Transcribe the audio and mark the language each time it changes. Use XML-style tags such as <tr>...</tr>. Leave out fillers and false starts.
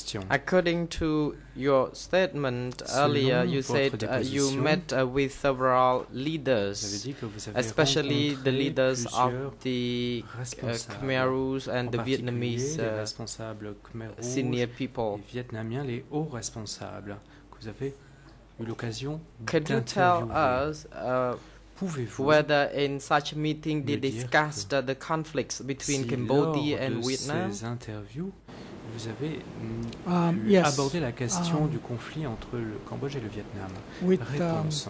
<en>According to your statement earlier, you said you met with several leaders, especially the leaders of the Khmer Rouge and the Vietnamese senior people.</en> <fr>Vietnamiens, les hauts responsables que vous avez eu l'occasion d'interviewer.</fr> <en>Could you tell us whether in such meeting they discussed the conflicts between Cambodia and Vietnam?</en> <fr>Ces interviews, vous avez abordé la question du conflit entre le Cambodge et le Vietnam.</fr>